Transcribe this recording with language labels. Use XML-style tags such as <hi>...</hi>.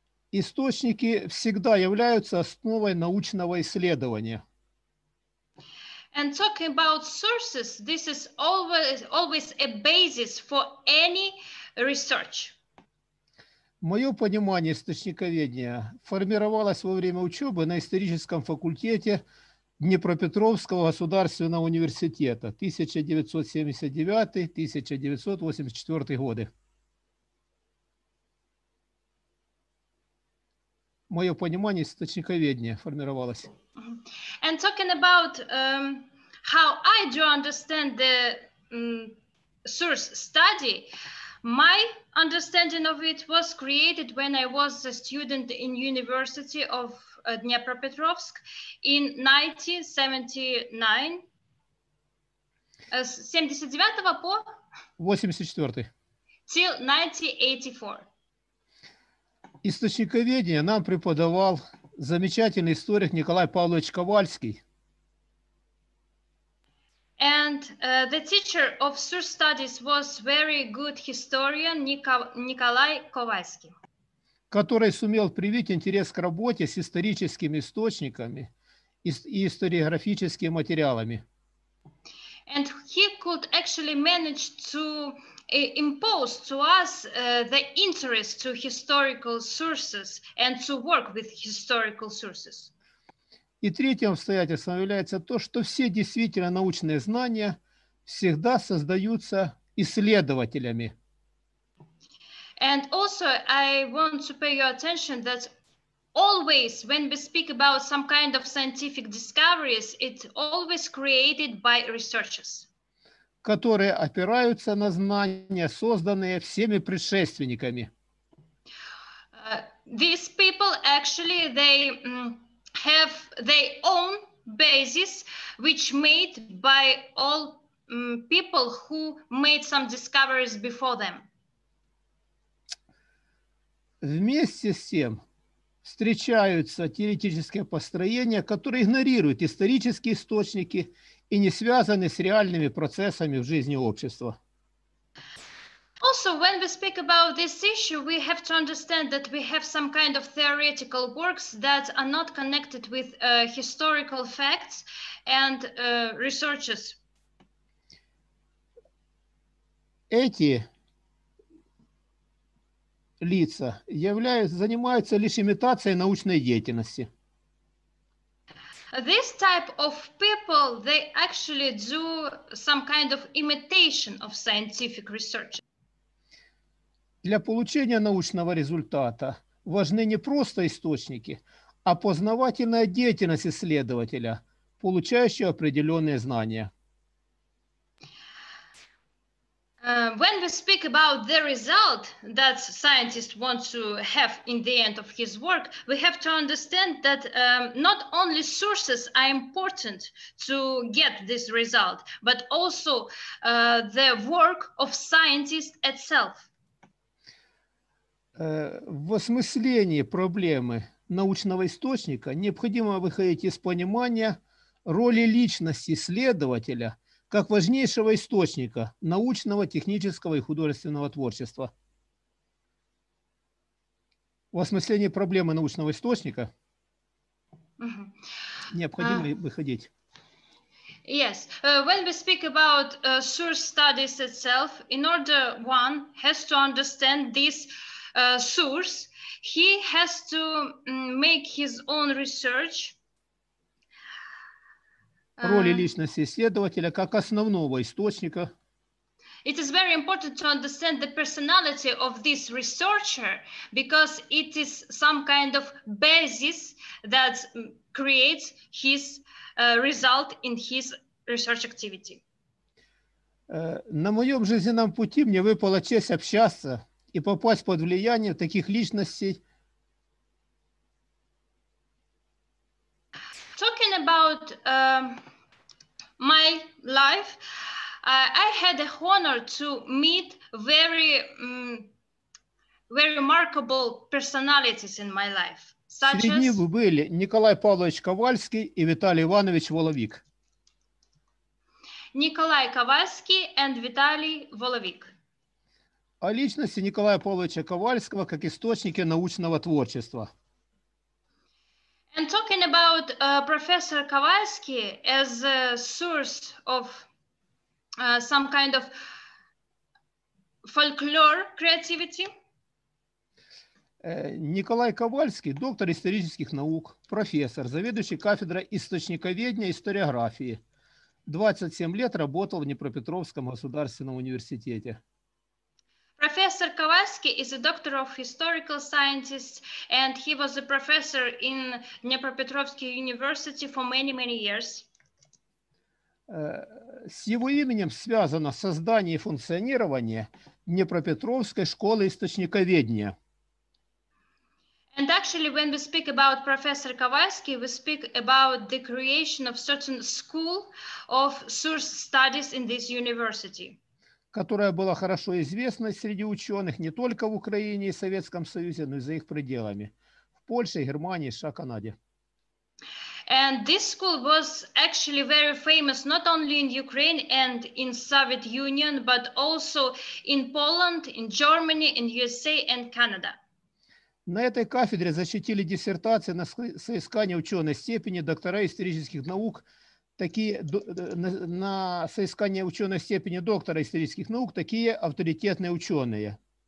<ru>Источники всегда являются основой научного исследования.</ru> <en>And talking about sources, this is always a basis for any research.</en> <ru>Мое понимание источниковедения формировалось во время учебы на историческом факультете Днепропетровского государственного университета 1979-1984 годы. Мое понимание источниковедения формировалось.</ru> <en>And talking about how I do understand the source study, my understanding of it was created when I was a student in University of Dnipropetrovsk in 1984.</en> <ru>Источниковедение нам преподавал замечательный историк Николай Павлович Ковальский.</ru> <en>And the teacher of source studies was very good historian Николай Ковальский,</en> <ru>который сумел привить интерес к работе с историческими источниками и историографическими материалами.</ru> <en>And he could actually manage to impose to us the interest to historical sources and to work with historical sources.</en> <ru>И третьим обстоятельством является то, что все действительно научные знания всегда создаются исследователями.</ru> <en>And also I want to pay your attention that always when we speak about some kind of scientific discoveries, it's always created by researchers.</en> <ru>Которые опираются на знания, созданные всеми предшественниками.</ru> <en>These people actually, they have their own basis, which made by all people who made some discoveries before them.</en> <ru>Вместе с тем встречаются теоретические построения, которые игнорируют исторические источники и не связаны с реальными процессами в жизни общества.</ru> <en>Also, when we speak about this issue, we have to understand that we have some kind of theoretical works that are not connected with historical facts and researches.</en> <ru>Эти лица являются, занимаются лишь имитацией научной деятельности.</ru> <en>This type of people, they actually do some kind of imitation of scientific research.</en> <ru>Для получения научного результата важны не просто источники, а познавательная деятельность исследователя, получающего определенные знания.</ru> <en>When we speak about the result that scientists want to have in the end of his work, we have to understand that not only sources are important to get this result, but also the work of scientists itself.</en> <ru>В осмыслении проблемы научного источника необходимо выходить из понимания роли личности исследователя как важнейшего источника научного, технического и художественного творчества. В осмыслении проблемы научного источника необходимо выходить.</ru> <en>Yes, when we speak about source studies itself, in order one has to understand this source, he has to make his own research.</en> <ru>Роли личности исследователя как основного источника.</ru> <en>It is very important to understand the personality of this researcher, because it is some kind of basis that creates his result in his research activity.</en> <ru>На моем жизненном пути мне выпала честь общаться и попасть под влияние таких личностей.</ru> <en>Talking about my life, I had the honor to meet very, very remarkable personalities in my life. Such</en> <ru>среди них были Николай Павлович Ковальский и Виталий Иванович Воловик.</ru> <en>Николай Ковальский and Виталий Воловик.</en> <ru>О личности Николая Павловича Ковальского как источники научного творчества.</ru> <en>And talking about Professor Kowalski as a source of some kind of folklore creativity.</en> <ru>Николай Ковальский, доктор исторических наук, профессор, заведующий кафедрой источниковедения и историографии. 27 лет работал в Днепропетровском государственном университете.</ru> <en>Professor Kowalski is a doctor of historical sciences, and he was a professor in Dnipropetrovsk University for many, many years.</en> <ru>С его именем связано создание и функционирование Днепропетровской школы источниковедения.</ru> <en>And actually, when we speak about Professor Kowalski, we speak about the creation of certain school of source studies in this university,</en> <ru>которая была хорошо известна среди ученых не только в Украине и Советском Союзе, но и за их пределами, в Польше, Германии, США, Канаде.</ru> <en>And this school was actually very famous not only in Ukraine and in Soviet Union, but also in Poland, in Germany, in USA and Canada.</en> <ru>На этой кафедре защитили диссертации на соискание ученой степени доктора исторических наук такие на соискание ученой степени доктора исторических наук такие авторитетные ученые.</ru>